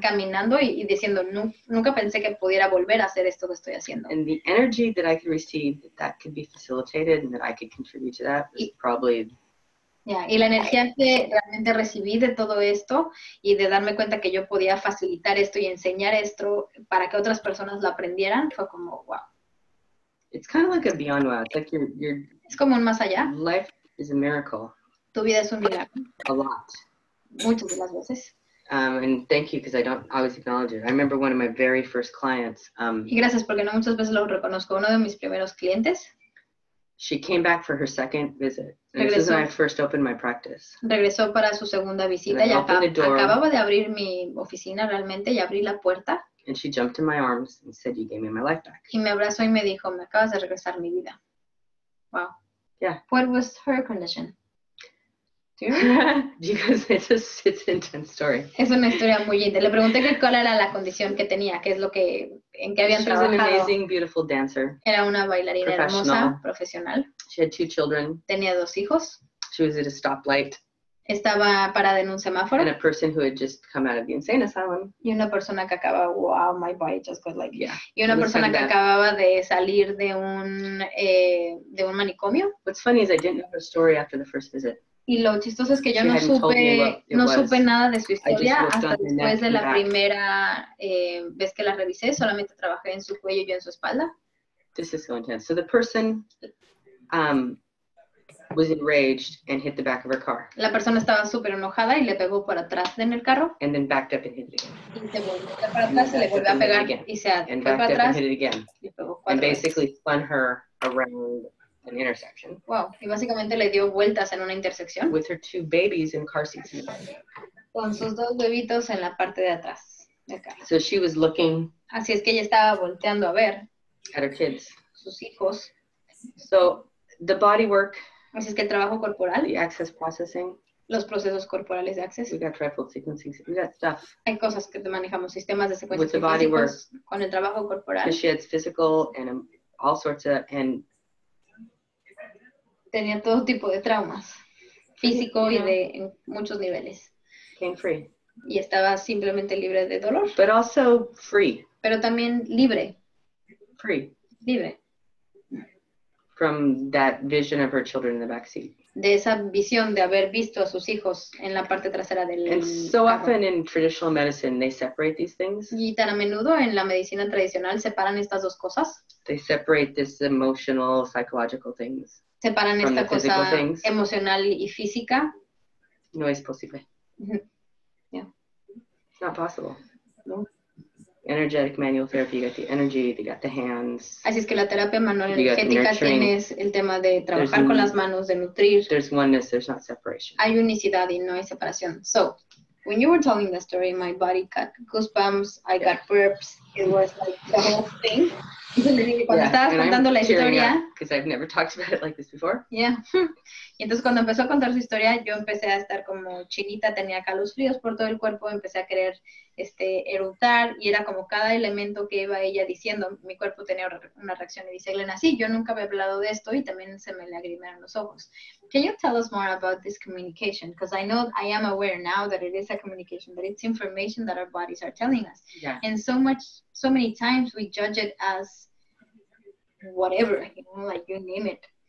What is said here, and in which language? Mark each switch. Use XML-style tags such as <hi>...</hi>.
<es>Caminando y diciendo, nunca pensé que pudiera volver a hacer esto que estoy haciendo.</es> <en>And the energy that I could receive that could be facilitated and that I could contribute to that was probably...</en> <es>Yeah, y la energía que realmente recibí de todo esto y de darme cuenta que yo podía facilitar esto y enseñar esto para que otras personas lo aprendieran fue como, wow.</es> <en>It's kind of like a beyond world. It's like you're</en> <es>es como un más allá.</es> <en>Life is a miracle.</en> <es>Tu vida es un milagro.</es> <en>A lot.</en> <es>Muchas de las veces.</es> <en>And thank you, because I don't always acknowledge it. I remember one of my very first clients.</en> <es>Y gracias porque no muchas veces lo reconozco. Uno de mis primeros clientes.</es> <en>She came back for her second visit. And this is when I first opened my practice.</en> <es>Regresó para su segunda visita.</es> <en>And I opened the door.</en> <es>Acababa de abrir mi oficina realmente y abrí la puerta.</es> <en>And she jumped in my arms and said, "You gave me my life back."</en> <es>Y me abrazó y me dijo, "Me acabas de regresar mi vida."</es> <en>Wow. Yeah. What was her condition? Do you remember? Because it's an intense story.</en> <es>Es una historia muy intensa. Le pregunté que cuál era la condición que tenía, qué es lo que en qué habían trabajado.</es> <en>She was an amazing, beautiful dancer.</en> <es>Era una bailarina hermosa, profesional.</es> <en>She had two children.</en> <es>Tenía dos hijos.</es> <en>She was at a stoplight.</en> <es>Estaba parada en un semáforo.</es> <en>And a person who had just come out of the insane asylum.</en> <es>Y una persona que acaba,</es> <en>wow, my body just got like, yeah.</en> <es>Y una persona que acababa de salir de un manicomio.</es> <en>What's funny is I didn't know her story after the first visit.</en> <es>Y lo chistoso es que yo no supe nada de su historia hasta después de la primera vez que la revisé. Solamente trabajé en su cuello y en su espalda.</es> <en>This is so intense. So the person... was enraged and hit the back of her car.</en> <es>La persona estaba súper enojada y le pegó por atrás en el carro.</es> <en>And then backed up and hit it again.</en> <es>Y se volvió para atrás y le volvió a pegar. Y se fue para atrás.</es> <en>And hit it again. And basically spun her around an intersection. Wow.</en> <es>Y básicamente le dio vueltas en una intersección.</es> <en>With her two babies in car seats. In the back.</en> <es>Con sus dos bebitos en la parte de atrás del carro.</es> <en>So she was looking.</en> <es>Así es que ella estaba volteando a ver.</es> <en>At her kids.</en> <es>Sus hijos.</es> <en>So the body work.</en> <es>Así es que el trabajo corporal,</es> <en>the access processing,</en> <es>los procesos corporales de access,</es> <en>we got triple sequencing, we got stuff.</en> <es>Hay cosas que manejamos, sistemas de secuencia de físicos, con el trabajo corporal.</es> <en>She had physical and all sorts of, and...</en> <es>Tenía todo tipo de traumas, físico y de en muchos niveles.</es> <en>Came free.</en> <es>Y estaba simplemente libre de dolor.</es> <en>But also free.</en> <es>Pero también libre.</es> <en>Free.</en> <es>Libre.</es> <en>From that vision of her children in the back seat.</en> <es>De esa visión de haber visto a sus hijos en la parte trasera del</es> <en>And so</en> <es>carro.</es> <en>Often in traditional medicine they separate these things.</en> <es>Y tan a menudo en la medicina tradicional separan estas dos cosas.</es> <en>They separate this emotional, psychological things.</en> <es>Separan esta cosa</es> <en>things.</en> <es>Emocional y física. No es posible.</es> <en>Yeah. Not possible. No. Energetic manual therapy, you got the energy, you got the hands.</en> <es>Así es que la terapia manual energética tienes el tema de trabajar</es> <en>there's</en> <es>con las manos, de nutrir.</es> <en>There's oneness, there's not separation.</en> <es>Hay unicidad y no hay separación.</es> <en>So, when you were telling the story, my body got goosebumps, I got burps, it was like the whole thing.</en> <es>Cuando estabas contando la historia.</es> <en>Because I've never talked about it like this before. Yeah.</en> <es>Y entonces cuando empezó a contar su historia, yo empecé a estar como chinita, tenía calos fríos por todo el cuerpo, empecé a querer eructar, y era como cada elemento que iba ella diciendo, mi cuerpo tenía una reacción, y dice Elena, sí, yo nunca había hablado de esto, y también se me lagrimaron los ojos.</es> <en>Can you tell us more about this communication? Because I know I am aware now that it is a communication, that it's information that our bodies are telling us. Yeah. And so many times we judge it as whatever, you know, like you name it.</en>